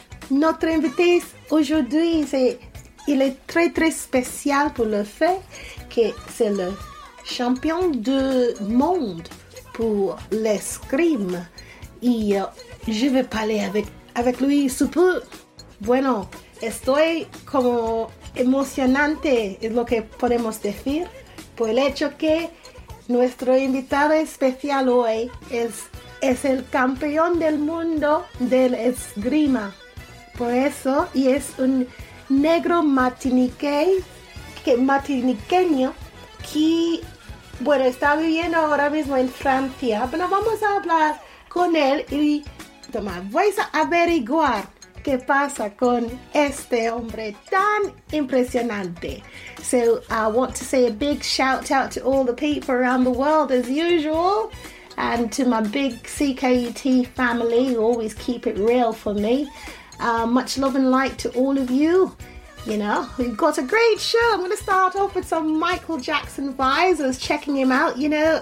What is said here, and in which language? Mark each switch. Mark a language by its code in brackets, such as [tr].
[fr] Notre invité aujourd'hui, il est très très spécial pour le fait que c'est le champion du monde pour l'escrime. Et je vais parler avec lui sous peu. [es] Bueno, estoy como emocionante, es lo que podemos decir. por el hecho que nuestro invitado especial hoy es el campeón del mundo del esgrima. Por eso, y es un negro martiniqueño que, bueno, está viviendo ahora mismo en Francia. Bueno, vamos a hablar con él y vais a averiguar qué pasa con este hombre tan impresionante. [en] So, I want to say a big shout out to all the people around the world as usual. And to my big CKUT family, who always keep it real for me. Much love and light to all of you. You know, we've got a great show. I'm going to start off with some Michael Jackson vibes. I was checking him out, you know.